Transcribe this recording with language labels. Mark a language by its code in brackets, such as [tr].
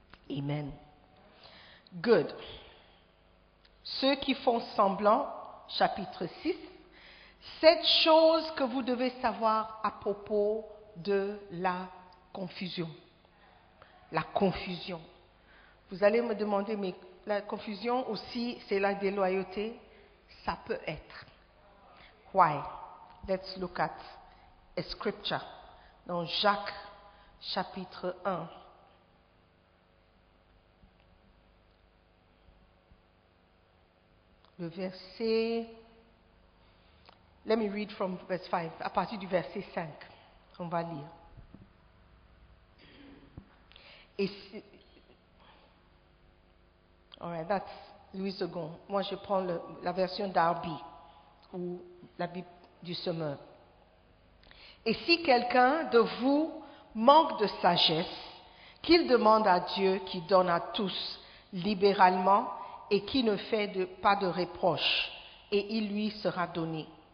[fr] Amen. Good. Ceux qui font semblant, chapitre 6. Sept choses que vous devez savoir à propos de la confusion. La confusion. Vous allez me demander, mais la confusion aussi, c'est la déloyauté. Ça peut être. Why? [en] Let's look at a scripture. [fr] Dans Jacques, chapitre 1. Le verset, [en] let me read from verse 5, [fr] à partir du verset 5, on va lire. Et si, [en] all right, that's Louis II. [fr] Moi, je prends la version Darby, ou la Bible du Semeur. Et si quelqu'un de vous manque de sagesse, qu'il demande à Dieu qui donne à tous libéralement, et qui ne fait pas de reproche, et il lui sera donné.